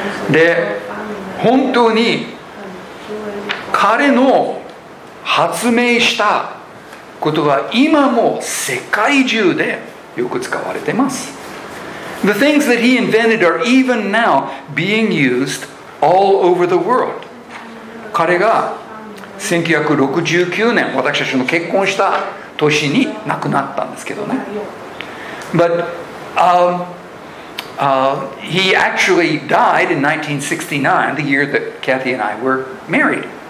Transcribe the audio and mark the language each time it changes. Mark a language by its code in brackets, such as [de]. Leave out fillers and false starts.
[ja] で、本当に彼の発明したことは今も世界中でよく使われてます。 [en] The things that he invented are even now being used all over the world. [ja] 彼が1969年、私たちの結婚した年に亡くなったんですけどね。 [en] But he actually died in 1969, the year that Kathy and I were married.